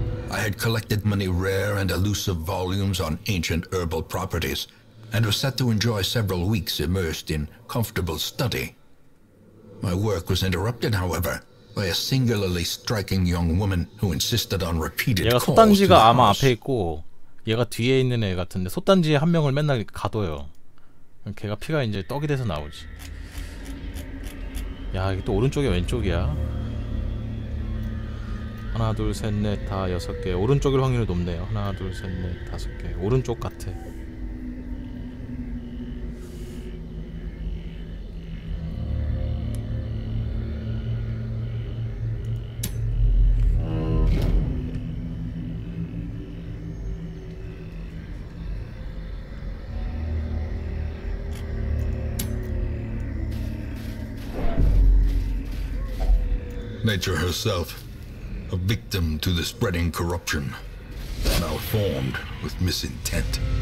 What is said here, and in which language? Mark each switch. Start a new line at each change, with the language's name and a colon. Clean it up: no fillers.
English: I had collected many rare and elusive volumes on ancient herbal properties, and was set to enjoy several weeks immersed in comfortable study. My work was interrupted, however, by a singularly striking young woman who insisted on repeated calls.
Korean: 얘가 솥단지가 아마 앞에 있고, 얘가 뒤에 있는 애 같은데 솥단지에 한 명을 맨날 가둬요. 걔가 피가 이제 떡이 돼서 나오지. 야, 이게 또 오른쪽이야, 왼쪽이야? 하나 둘 셋 넷 다 여섯 개. 오른쪽일 확률이 높네요. 하나 둘 셋 넷 다섯 개. 오른쪽 같아.
English: 네이처 herself. A victim to the spreading corruption, malformed with misintent.